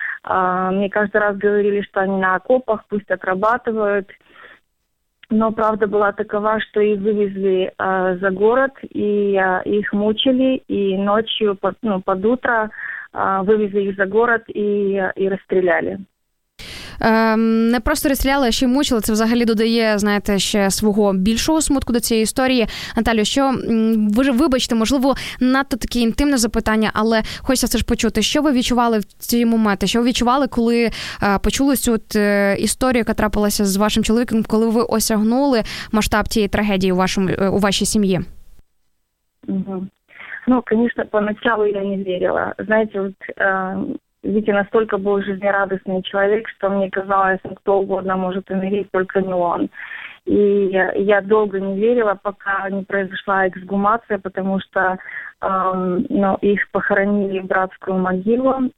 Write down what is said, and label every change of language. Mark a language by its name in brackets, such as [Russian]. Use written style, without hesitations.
[Russian] Мне каждый раз говорили, что они на окопах, пусть отрабатывают. Но правда была такова, что их вывезли за город, и их мучили, и ночью, под утро вывезли их за город и расстреляли. [Ukrainian] не просто розстріляли, а ще й мучили. Це взагалі додає, знаєте, ще свого більшого смутку до цієї історії. Наталю, що вибачте, можливо, надто таке інтимне запитання, але хочеться все ж почути, що ви відчували в ці моменти? Що ви відчували, коли почули цю історію, яка трапилася з вашим чоловіком, коли ви осягнули масштаб цієї трагедії у вашій сім'ї? [Russian] Ну, конечно, поначалу я не верила. Знаете, вот Витя настолько был жизнерадостный человек, что мне казалось, кто угодно может умереть, только не он. И я долго не верила, пока не произошла эксгумация, потому что их похоронили в братскую могилу.